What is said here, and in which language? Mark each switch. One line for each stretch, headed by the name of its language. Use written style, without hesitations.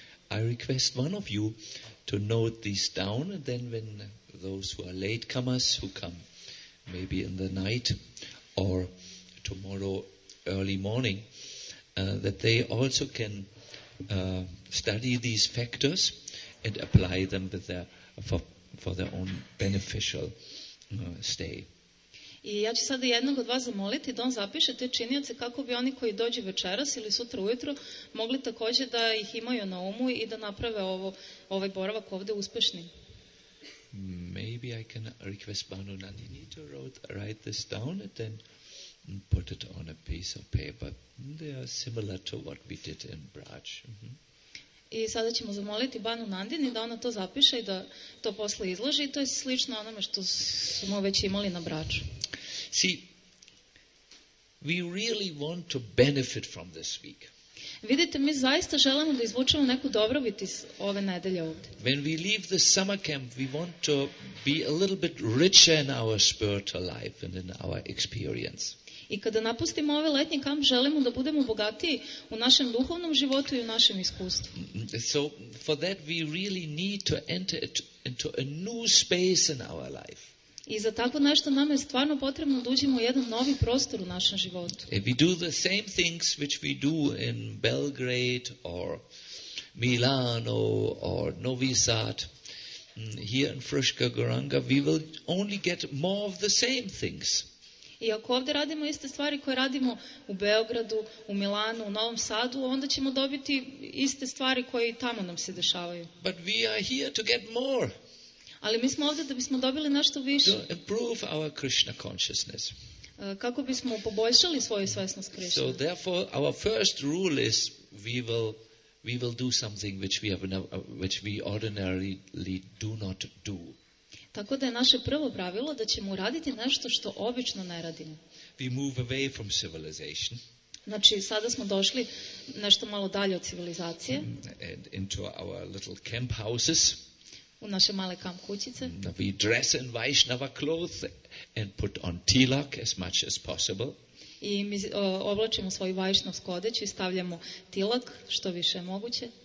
English: I request one of you to note these down, and then when those who are latecomers who come maybe in the night or tomorrow early morning, that they also can study these factors and apply them with their, for their own beneficial stay.
Serbian: I ja ću sada jednog od vas zamoliti da on zapiše te činioce kako bi oni koji dođu večeras ili sutra ujutro mogli takođe da ih imaju na umu i da naprave ovaj boravak ovde uspešnim.
English: Maybe I can request Banu Nandini to write this down and then put it on a piece of paper. They are similar to what we did in Braj. Mm-hmm.
Serbian: I sada ćemo zamoliti Banu Nandini da ona to zapiše I da to posle izloži. I to je slično onome što smo već imali na Braču.
English: See, we really want to benefit from this week.
Serbian: Vidite, mi zaista želimo da izvučemo neku dobrobit iz ove nedelje ovde.
English: When we leave the summer camp, we want to be a little bit richer in our spiritual life and in our experience.
Serbian: I kada napustimo ovaj letnji kamp, želimo da budemo bogatiji u našem duhovnom životu I u našem iskustvu.
English: So for that we really need to enter into a new space in our life.
Serbian: I za tako nešto nam je stvarno potrebno da uđemo u jedan novi prostor u našem životu.
English: If we do the same things which we do in Belgrade or Milano or Novi Sad, here in Fruška Gorunga, we will only get more of the same things.
Serbian: I ako ovde radimo iste stvari koje radimo u Beogradu, u Milanu, u Novom Sadu, onda ćemo dobiti iste stvari koje I tamo nam se dešavaju.
English: But we are here to get more.
Serbian: Ali mi smo ovde da bismo dobili nešto više.
English: To improve our Krishna consciousness.
Serbian: Kako bismo poboljšali svoju svesnost Krishna.
English: So therefore our first rule is we will do something which we ordinarily do not do.
Serbian: Tako da je naše prvo pravilo da ćemo uraditi nešto što obično ne radimo.
English: We move away from civilization.
Serbian: Znači, sada smo došli nešto malo dalje od civilizacije.
English: And into our little camp houses.
Serbian: U naše male kamp kućice.
English: We dress in Vaishnava clothes and put on tilak as much as possible.
Serbian: I mi oblačimo svoju vajšnavsku odeću I stavljamo tilak što više je moguće.